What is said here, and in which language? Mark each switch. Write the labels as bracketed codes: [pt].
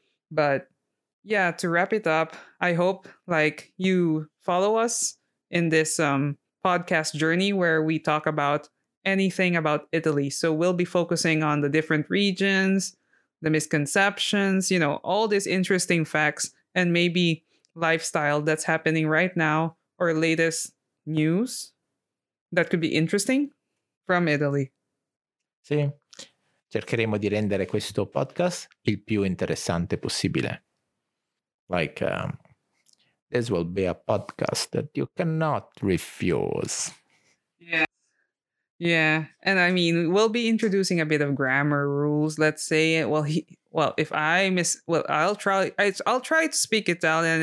[en] But yeah, to wrap it up, I hope like you follow us in this podcast journey where we talk about anything about Italy. So we'll be focusing on the different regions, the misconceptions, you know, all these interesting facts and maybe lifestyle that's happening right now or latest news that could be interesting from Italy. [it] Sì, cercheremo di rendere questo podcast il più interessante possibile. [en] Like, this will be a podcast that you cannot refuse. Yeah. Yeah. And I mean, we'll be introducing a bit of grammar rules, let's say. I'll try to speak Italian.